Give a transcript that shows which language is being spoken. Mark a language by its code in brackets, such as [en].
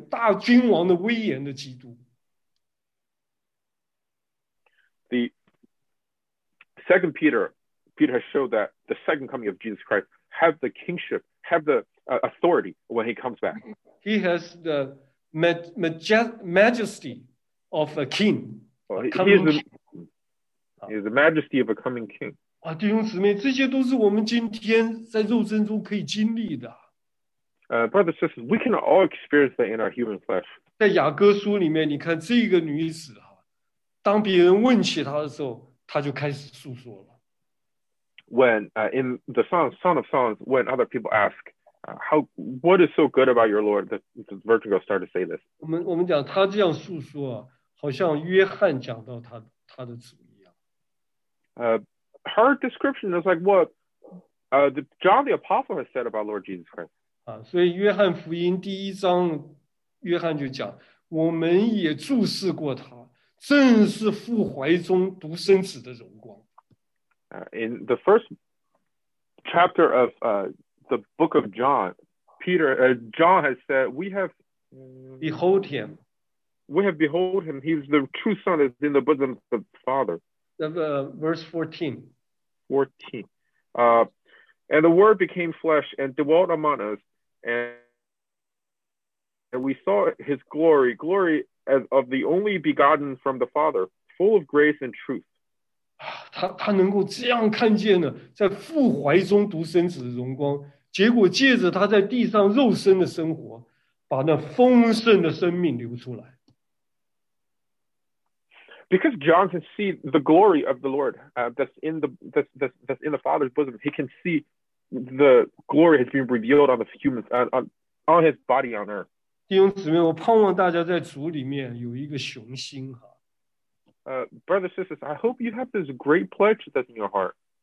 [zh] 彼得后书他让我们看见那个再来的基督啊，那个有大威严、大君王的威严的基督。 [en] The second Peter has showed that the second coming of Jesus Christ have the kingship, have the authority when he comes back. He has the majesty of a king. He is the majesty of a coming king. [zh] 啊, 弟兄姊妹, 这些都是我们今天在肉身中可以经历的。 [en] Brothers and sisters, we can all experience that in our human flesh. [zh] 在雅各书里面, 你看, 这个女子啊, 当别人问起她的时候, 她就开始诉说了。 [en] In the Song of Songs, when other people ask, what is so good about your Lord, the virgin girl started to say this. [zh] 我们讲她这样诉说啊, 好像约翰讲到他的主一样。 [en] Her description is like what John the Apostle has said about Lord Jesus Christ. [zh] 所以约翰福音第一章，约翰就讲，我们也注视过他，正是父怀中独生子的荣光。 [en] In the first chapter of the book of John, John has said, Behold him. We have behold him. He's the true son is in the bosom of the Father. Verse 14. And the word became flesh and dwelt among us. And we saw his glory. Glory as of the only begotten from the Father. Full of grace and truth. [zh] 他能够这样看见呢，在父怀中独生子的荣光，结果借着他在地上肉身的生活，把那丰盛的生命流出来。 [en] Because John can see the glory of the Lord that's in the Father's bosom, he can see the glory has been revealed on the humans on his body on earth. [zh] 弟兄姊妹，我盼望大家在主里面有一个雄心哈。 [en] Brothers and sisters, I hope you have this great pledge that's in your heart.